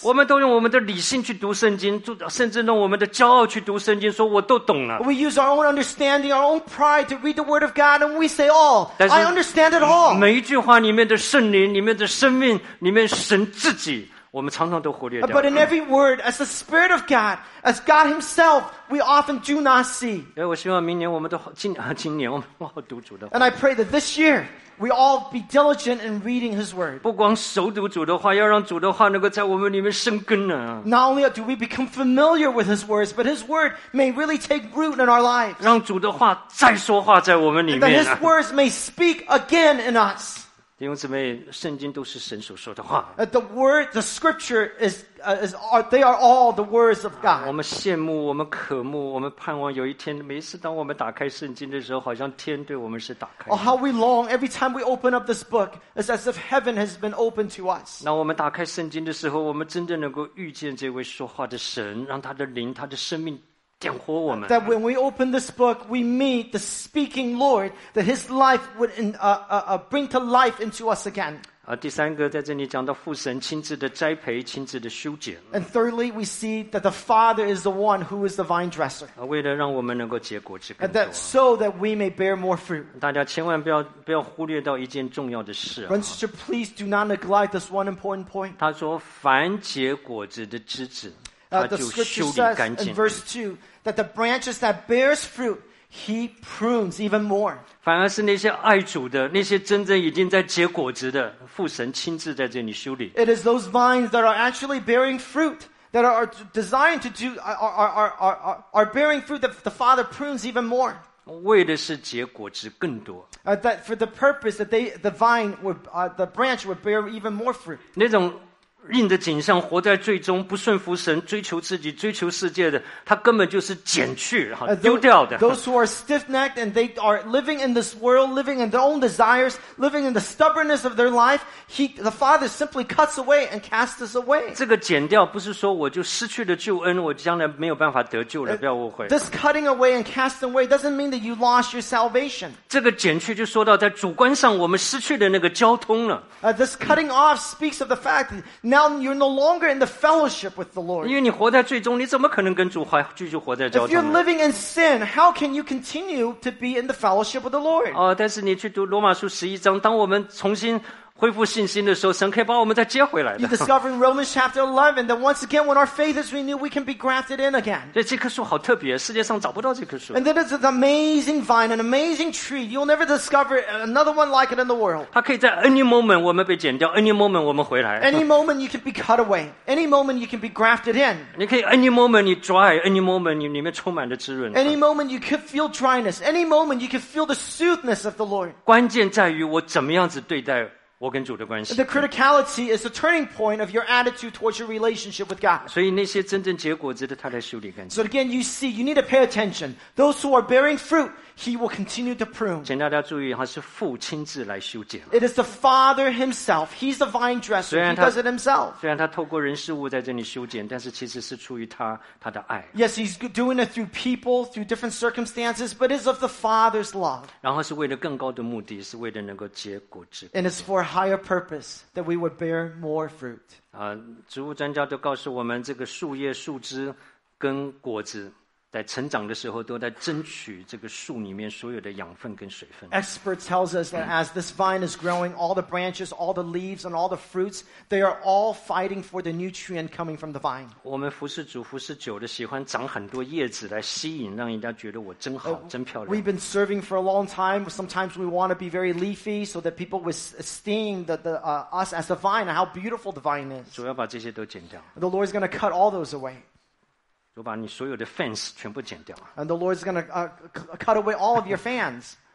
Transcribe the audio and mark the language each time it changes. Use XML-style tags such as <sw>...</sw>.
<zh>我们都用我们的理性去读圣经，甚至用我们的骄傲去读圣经，说我都懂了。</zh> <en>We use our own understanding, our own pride to read the word of God, and we say all, I understand it all.</en> <zh>每一句话里面的圣灵，里面的生命，里面神自己。我们常常都忽略掉了。</zh> <en>But in every word, as the Spirit of God, as God Himself, we often do not see.</en> <zh>我希望明年我们都今年我们好好读主的话。</zh> <en>And I pray that this year we all be diligent in reading His word.</en> <zh>不光熟读主的话，要让主的话能够在我们里面生根呢。</zh> <en>Not only do we become familiar with His words, but His word may really take root in our lives.</en> <zh>让主的话再说话在我们里面。</zh> <en>That His words may speak again in us.</en> <zh>弟兄姊妹，圣经都是神所说的话。</zh> <en>The word, the scripture they are all the words of God.</en> <zh>我们羡慕，我们渴慕，我们盼望有一天，每次当我们打开圣经的时候，好像天对我们是打开。</zh> <en>Oh, how we long every time we open up this book, it's as if heaven has been opened to us.</en> <zh>那我们打开圣经的时候，我们真正能够遇见这位说话的神，让他的灵，他的生命。</zh> <en>That when we open this book, we meet the speaking Lord, that His life would bring to life into us again.</en> <zh>第三个在这里讲到父神亲自的栽培，亲自的修剪。</zh> <en>And thirdly, we see that the Father is the one who is the vine dresser.</en> <zh>为了让我们能够结果子更多。</zh> <en>And that so that we may bear more fruit.</en> <zh>大家千万不要忽略到一件重要的事。</zh> <en>Friends, sister, please do not neglect this one important point.</en> <zh>他说，凡结果子的枝子。</zh> <en>The scripture says in verse 2 that the branches that bears fruit, he prunes even more.</en> <zh>反而是那些爱主的，那些真正已经在结果子的，父神亲自在这里修理。</zh> <en>It is those vines that are actually bearing fruit. That are designed to do are bearing fruit that the Father prunes even more.</en> <zh>为的是结果子更多。</zh> <en>That for the purpose that the branch would bear even more fruit.</en> <zh>那种硬着颈项活在最终不顺服神追求自己追求世界的他根本就是减去丢掉的</zh> <en>those who are stiff-necked and they are living in this world living in their own desires living in the stubbornness of their life the Father simply cuts away and casts away</en> <zh>这个减掉不是说我就失去了救恩我将来没有办法得救了不要误会</zh> <en>this cutting away and casting away doesn't mean that you lost your salvation</en> <zh>这个减去就说到在主观上我们失去的那个交通了</zh> <en>this cutting off speaks of the fact thatNow you're no longer in the fellowship with the Lord.</en> <zh>因为你活在最终，你怎么可能跟主还继续活在交通呢？</zh> <en>If you're living in sin, how can you continue to be in the fellowship with the Lord?</en> <zh>哦，但是你去读罗马书十一章，当我们重新恢复信心的时候，神可以把我们再接回来的。</zh> <en>You discover in Romans chapter 11 that once again when our faith is renewed, we can be grafted in again.</en> <zh>对，这棵树好特别，世界上找不到这棵树。</zh> <en>And that is an amazing vine, an amazing tree. You'll never discover another one like it in the world.</en> <zh>它可以在</zh> <en>any moment</en> <zh>我们被剪掉， any moment 我们回来。</zh> <en>Any moment you can be cut away. Any moment you can be grafted in.</en> <zh>你可以</zh> <en>any moment</en> <zh>你 dry, any moment 你里面充满了滋润。</zh> <en>Any moment you can feel dryness. Any moment you can feel the soothness of the Lord.</en> <zh>关键在于我怎么样子对待我跟主的关系。</zh> <en>The criticality is the turning point of your attitude towards your relationship with God.</en> <zh>所以那些真正结果子的，他来修理干净。</zh> <en>So again, you see, you need to pay attention. Those who are bearing fruit, He will continue to prune.</en> <zh>请大家注意，他是父亲自来修剪。</zh> <en>It is the Father Himself. He's the vine dresser. He does it Himself.</en> <zh>虽然他透过人事物在这里修剪，但是其实是出于他的爱。</zh> <en>Yes, He's doing it through people, through different circumstances, but it's of the Father's love.</en> <zh>然后是为了更高的目的，是为了能够结果子。</zh> <en>And it's for higher purpose that we would bear more fruit.</en> <zh>植物专家都告诉我们，这个树叶、树枝跟果子。在成长的时候，都在争取这个树里面所有的养分跟水分。</zh> <en>Experts tells us that as this vine is growing, all the branches, all the leaves, and all the fruits, they are all fighting for the nutrient coming from the vine.</en> <zh>我们服侍主服侍久的，喜欢长很多叶子来吸引，让人家觉得我真好，真漂亮。</zh> <en>We've been serving for a long time. Sometimes we want to be very leafy so that people would esteem us as the vine and how beautiful the vine is.</en> <zh>主要把这些都剪掉。</zh> <en>The Lord is going to cut all those away.</en> <zh>就把你所有的 fans 全部剪掉。</zh> <en>And the Lord is going to cut away all of your fans.</en>